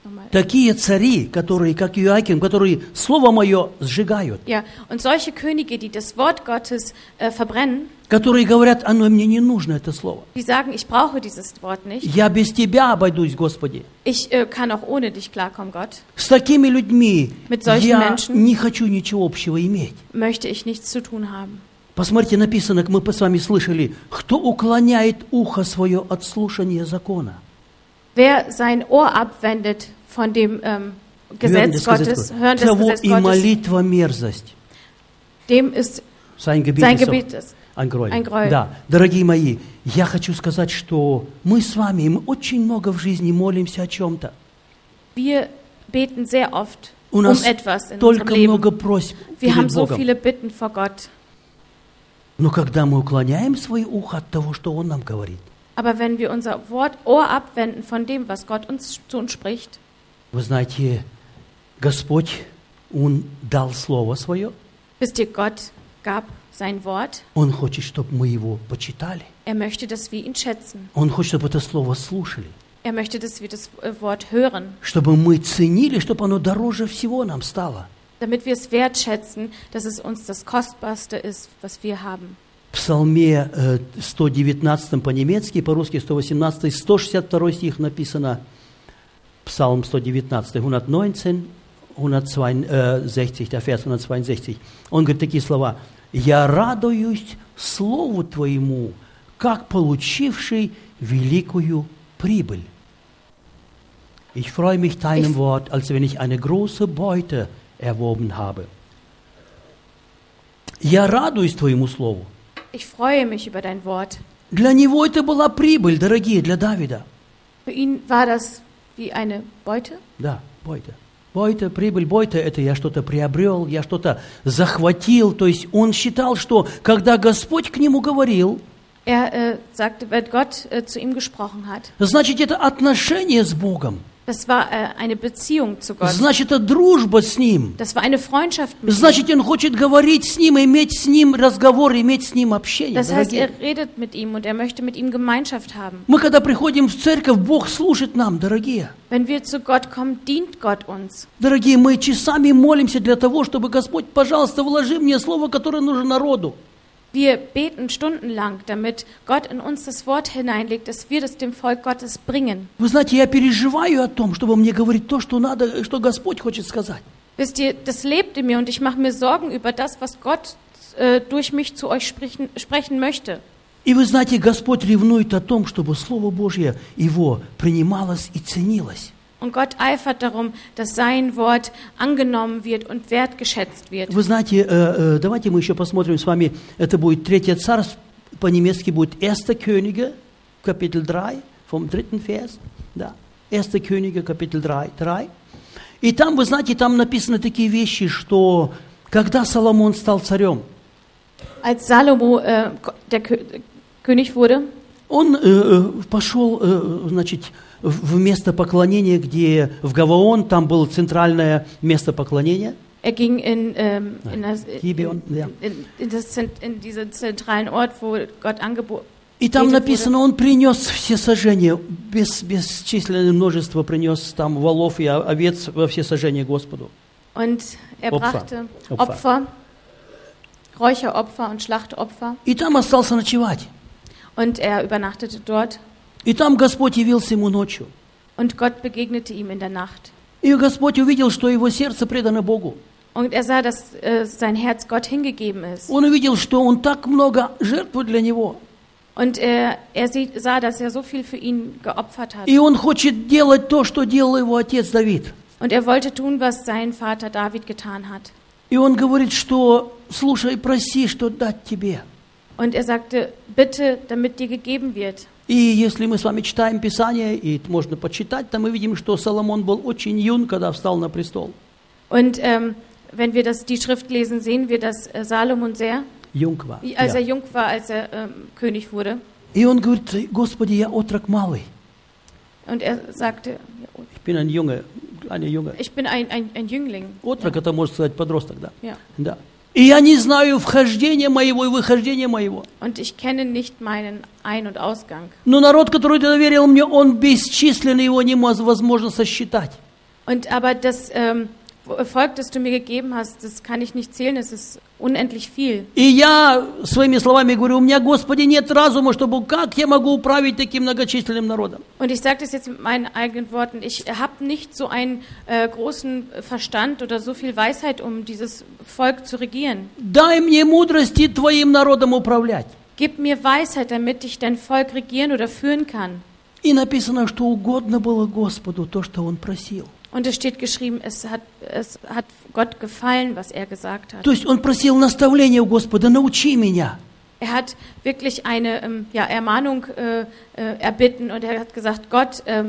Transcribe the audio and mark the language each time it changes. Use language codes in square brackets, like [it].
[ru] Такие цари, которые, как Иоаким, которые слово мое сжигают. [de] Ja, und solche Könige, die das Wort Gottes verbrennen. [ru] Которые говорят: оно мне не нужно, это слово. [de] Die sagen, ich brauche dieses Wort nicht. [ru] Я без тебя обойдусь, Господи. [de] Ich kann auch ohne dich klarkommen, Gott. [ru] С такими людьми [de] Mit solchen [ru] я [de] Menschen [ru] не хочу ничего общего иметь. [de] Möchte ich nichts zu tun haben. [ru] Посмотрите, написано, мы с вами слышали, кто уклоняет ухо свое от слушания закона. [de] Wer sein Ohr abwendet von dem Gesetz Gottes, hören des Gesetzes Gottes, dem ist sein Gebet ein Gräuel. [ru] Да, дорогие мои, я хочу сказать, что мы с вами очень много в жизни молимся о чем-то. [de] Wir beten sehr oft um etwas in unserem Leben. [ru] Много просьб [de] Wir haben so viele Bitten vor Gott. [ru] Но когда мы уклоняем свое ухо от того, что Он нам говорит. [de] Aber wenn wir unser Wort Ohr abwenden von dem, was Gott uns zu uns spricht, [ru] Вы знаете, Господь, Он дал слово свое. [de] Wisst ihr, Gott gab sein Wort. [ru] Он хочет, чтобы мы его почитали. [de] Er möchte, dass wir ihn schätzen. [ru] Он хочет, чтобы это слово слушали. [de] Er möchte, dass wir das Wort hören. [ru] Чтобы мы ценили, чтобы оно дороже всего нам стало. [de] Damit wir es wertschätzen, dass es uns das Kostbarste ist, was wir haben. [ru] В Псалме 119 по-немецки, по-русски 118, 162 стих написано, Псалм 119, 162, он говорит такие слова: «Я радуюсь Слову Твоему, как получивший великую прибыль». [de] «Ich freue mich deinem Wort, als wenn ich eine große Beute erworben habe». [ru] «Я радуюсь Твоему Слову». [de] Ich freue mich über dein Wort. [ru] Для него это была прибыль, дорогие, для Давида. [de] Für ihn war das wie eine Beute? [ru] Да, Beute. Beute, прибыль, Beute, это я что-то приобрел, я что-то захватил. То есть он считал, что когда Господь к нему говорил, [de] Er sagte, wenn Gott zu ihm gesprochen hat. [ru] Значит, это отношение с Богом. [de] Das war eine Beziehung zu Gott. [ru] Значит, это дружба с ним. [de] Das war eine Freundschaft mit [ru] Значит, он хочет говорить с ним, иметь с ним разговор, иметь с ним общение. [de] Das heißt, er redet mit ihm und er möchte mit ihm Gemeinschaft haben. [ru] Мы когда приходим в церковь, Бог служит нам, дорогие. [de] Wenn wir zu Gott kommen, dient Gott uns. [ru] Дорогие, мы часами молимся для того, чтобы Господь, пожалуйста, вложи мне слово, которое нужно народу. [de] Wir beten stundenlang, damit Gott in uns das Wort hineinlegt, dass wir das dem Volk Gottes bringen. [ru] Вы знаете, я переживаю о том, чтобы мне говорить то, что надо, что Господь хочет сказать. [de] Wisst ihr, das lebt in mir und ich mache mir Sorgen über das, was Gott durch mich zu euch sprechen möchte. [ru] И вы знаете, Господь ревнует о том, чтобы Слово Божье его принималось и ценилось. [de] Und Gott eifert darum, dass sein Wort angenommen wird und wertgeschätzt wird. [ru] Вы знаете, давайте мы еще посмотрим с вами, это будет третье царство, по-немецки будет [de] Erste Könige, Kapitel 3, vom dritten Vers, [ru] да, [de] Erste Könige, Kapitel 3. [ru] И там, вы знаете, там написаны такие вещи, что когда Соломон стал царем, [de] Als Salomo der König wurde, [ru] он пошел, значит, в место поклонения, где в Гаваон, там было центральное место поклонения. [de] Er ging in diesen zentralen Ort, wo Gott angeboten [ru] И там написано, он принес всесожжение, бесчисленное множество принес там волов и овец во всесожжение Господу. [de] Und er brachte Opfer, Räucheropfer und Schlachtopfer. [ru] И там остался ночевать. [de] Und er übernachtete dort. [ru] И там Господь явился ему ночью. [de] Und Gott begegnete ihm in der Nacht. [ru] И Господь увидел, что его сердце предано Богу. [de] Und er sah, dass sein Herz Gott hingegeben ist. [ru] Он увидел, что он так много жертвует для него. [de] Und er sah, dass er so viel für ihn geopfert hat. [ru] И он хочет делать то, что делал его отец Давид. [de] Und er wollte tun, was sein Vater David getan hat. [ru] И он говорит, что слушай, проси, что дать тебе. [de] Und er sagte, bitte, damit dir gegeben wird. [ru] И если мы с вами читаем Писание, и можно почитать, то мы видим, что Соломон был очень юн, когда встал на престол. [de] Und wenn wir das die Schrift lesen, sehen wir, dass Salomon sehr jung war. Als er jung war, als er König wurde. [ru] И он говорит: Господи, я отрок малый. [de] Und er sagte: Ich bin ein Junge, kleiner Junge. Ich bin ein Jüngling. [ru] Отрок, это можно сказать подросток, да? [en] Yeah. [ru] Да. И я не знаю вхождения моего и выхождения моего. [de] Und ich kenne nicht meinen Ein- und Ausgang. [ru] Но народ, который ты доверил мне, он бесчислен, его невозможно сосчитать. [de] Und aber das Volk, das du mir gegeben hast, das kann ich nicht zählen, es ist unendlich viel. [ru] И я своими словами говорю: у меня, Господи, нет разума, чтобы как я могу управлять таким многочисленным народом. [de] Und ich sage das jetzt mit meinen eigenen Worten: ich habe nicht so einen großen Verstand oder so viel Weisheit, um dieses Volk zu regieren. [ru] Дай мне мудрости твоим народом управлять. [de] Gib mir Weisheit, damit ich dein Volk regieren oder führen kann. [ru] И написано, что угодно было Господу то, что он просил. [de] Und es steht geschrieben, es hat Gott gefallen, was er gesagt hat. [ru] То есть он просил наставления у Господа: научи меня. [de] Er hat wirklich eine Ermahnung erbitten und er hat gesagt: Gott,